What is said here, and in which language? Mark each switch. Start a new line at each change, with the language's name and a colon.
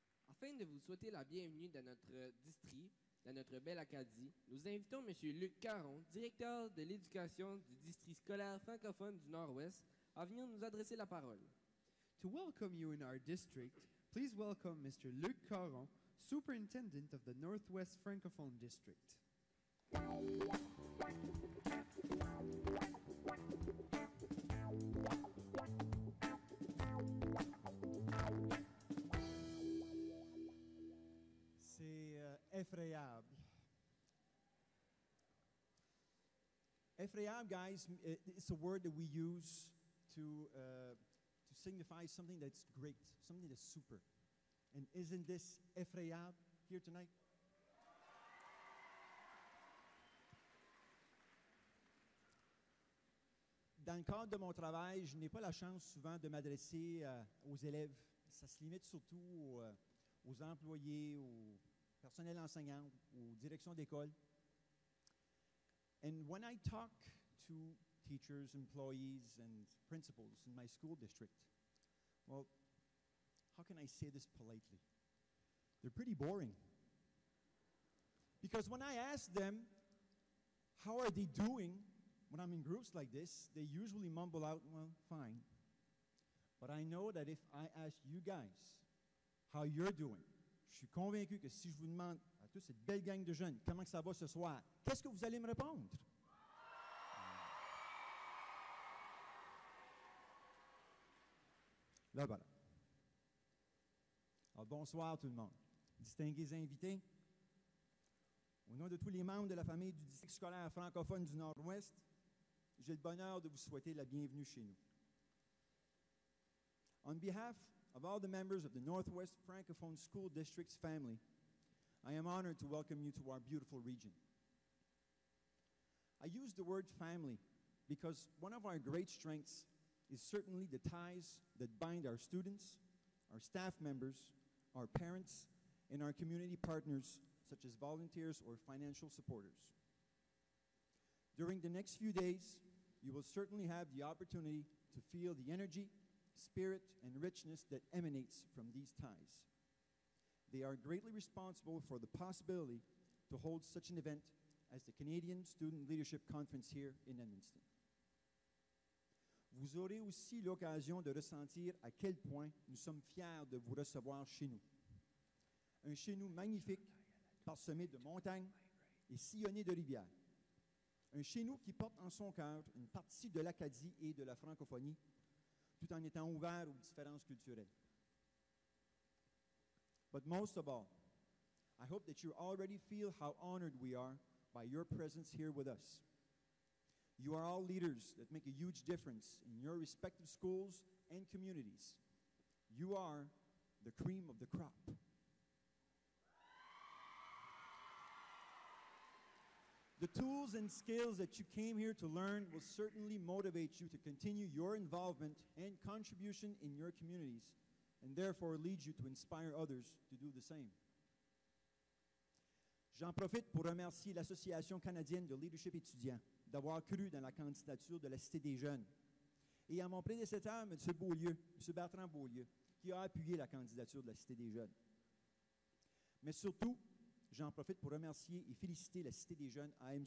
French: Afin de vous souhaiter la bienvenue dans notre district, dans notre belle Acadie, nous invitons M. Luc Caron, directeur de l'éducation du district scolaire francophone du Nord-Ouest, à venir nous adresser la parole.
English: To welcome you in our district, please welcome Mr. Luc Caron, superintendent of the Northwest Francophone District.
French: Effrayable.
English: Effrayable, guys, it's a word that we use to signify something that's great, something that's super. And isn't this effrayable here tonight?
French: Dans le cadre de mon travail, je n'ai pas la chance souvent de m'adresser aux élèves. Ça se limite surtout aux employés, aux personnel enseignant ou direction d'école.
English: And when I talk to teachers, employees, and principals in my school district, well, how can I say this politely? They're pretty boring. Because when I ask them, how are they doing when I'm in groups like this, they usually mumble out, well, fine. But I know that if I ask you guys how you're doing,
French: je suis convaincu que si je vous demande à toute cette belle gang de jeunes comment ça va ce soir, qu'est-ce que vous allez me répondre? Là, voilà. Alors, bonsoir tout le monde. Distingués invités, au nom de tous les membres de la famille du district scolaire francophone du Nord-Ouest, j'ai le bonheur de vous souhaiter la bienvenue chez nous.
English: On behalf of all the members of the Northwest Francophone School District's family, I am honored to welcome you to our beautiful region. I use the word family because one of our great strengths is certainly the ties that bind our students, our staff members, our parents, and our community partners, such as volunteers or financial supporters. During the next few days, you will certainly have the opportunity to feel the energy, spirit, and richness that emanates from these ties. They are greatly responsible for the possibility to hold such an event as the Canadian Student Leadership Conference here in Edmundston.
French: Vous aurez aussi l'occasion de ressentir à quel point nous sommes fiers de vous recevoir chez nous. Un chez nous magnifique, parsemé de montagnes et sillonnée de rivières. Un chez-nous qui porte en son cœur une partie de l'Acadie et de la francophonie, tout en étant ouvert aux différences culturelles.
English: But most of all, I hope that you already feel how honored we are by your presence here with us. You are all leaders that make a huge difference in your respective schools and communities. You are the cream of the crop. The tools and skills that you came here to learn will certainly motivate you to continue your involvement and contribution in your communities, and therefore lead you to inspire others to do the same.
French: J'en profite pour remercier l'Association canadienne de leadership étudiant d'avoir cru dans la candidature de la Cité des jeunes, et à mon prédécesseur, M. Beaulieu, M. Bertrand Beaulieu, qui a appuyé la candidature de la Cité des jeunes. Mais surtout, j'en profite pour remercier et féliciter la Cité des jeunes à M.